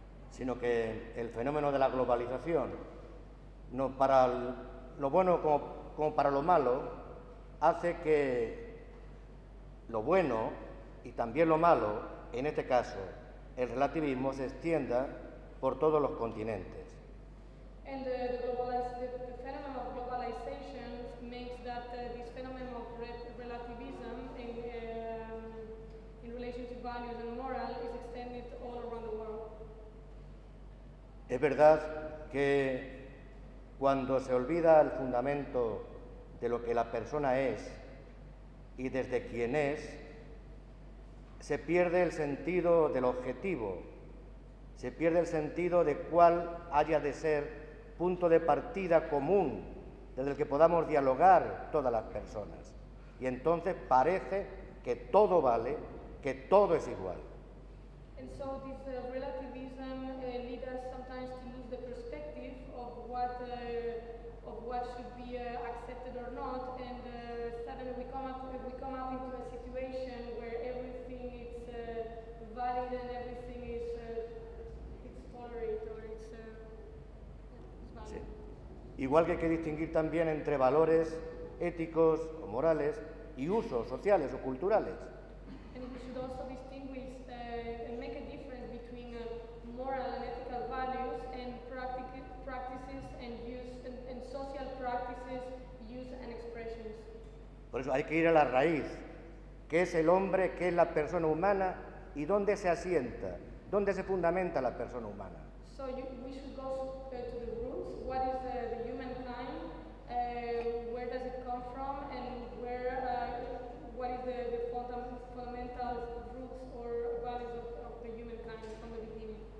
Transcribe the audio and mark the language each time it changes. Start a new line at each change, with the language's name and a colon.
Spanish: Sino que el fenómeno de la globalización, no para lo bueno como para lo malo, hace que lo bueno y también lo malo, en este caso, el relativismo, se extienda por todos los continentes.
English: And the phenomenon of globalization makes that this phenomenon of relativism in relation to values and moral is extended all around the world.
Spanish: Es verdad que cuando se olvida el fundamento de lo que la persona es y desde quién es, se pierde el sentido del objetivo, se pierde el sentido de cuál haya de ser punto de partida común desde el que podamos dialogar todas las personas. y entonces parece que todo vale, que todo es igual.
English: And so this relativism leads us sometimes to lose the perspective of what should be accepted or not, and suddenly we come up into a situation where everything is valid and everything is it's tolerated or it's valid.
Spanish: Sí. Igual que hay que distinguir también entre valores éticos o morales y usos sociales o culturales.
English: And we should also distinguish and make a difference between moral and ethical values and practices and use and social practices, use and expressions.
Spanish: Por eso hay que ir a la raíz. ¿Qué es el hombre? ¿Qué es la persona humana? ¿Y dónde se asienta? ¿Dónde se fundamenta la persona humana?
English: So we should go to the roots. What is the humankind? Where does it come from? And where? What is the fundamental roots or values of the humankind from the beginning?